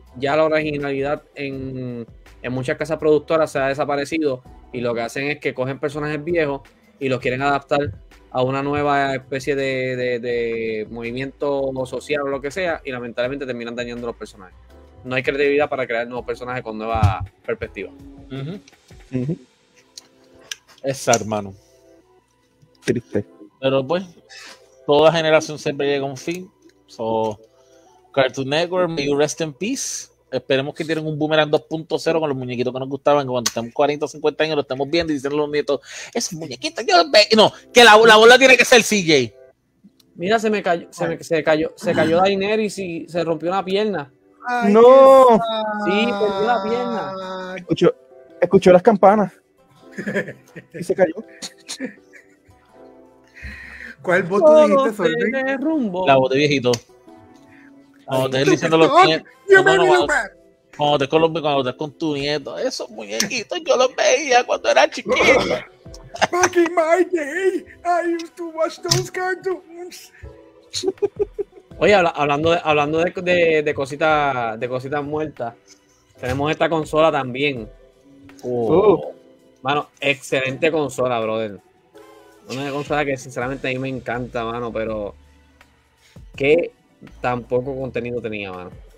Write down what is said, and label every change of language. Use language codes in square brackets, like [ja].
[es] Ya la originalidad en muchas casas productoras se ha desaparecido y lo que hacen es que cogen personajes viejos y los quieren adaptar a una nueva especie de movimiento social o lo que sea, y lamentablemente terminan dañando los personajes. No hay credibilidad para crear nuevos personajes con nueva perspectiva. Esa, hermano. Triste. Pero pues, toda generación siempre llega a un fin. [en] So, Cartoon Network, may you rest in peace. [es] Esperemos que tienen un Boomerang 2.0 con los muñequitos que nos gustaban. Cuando estemos 40 o 50 años, lo estamos viendo y dicen los nietos, esos muñequitos, yo los veo. No, que la bola tiene que ser CJ. Mira, se cayó Daenerys y se rompió una pierna. Ay, ¡no! Sí, perdió la pierna. Escuchó las campanas. Y se cayó. ¿Cuál voto todo dijiste, Sol? Rumbo. La voz de viejito. Cuando estés diciendo los nietos. Cuando estés con tu nieto. Esos muñequitos yo los veía cuando era chiquito. [en] Back in my day, I used to watch those cartoons. [es] Oye, hablando de cositas muertas, tenemos esta consola también. Mano, excelente consola, brother. Una consola que sinceramente a mí me encanta, mano, pero que tan poco contenido tenía, mano.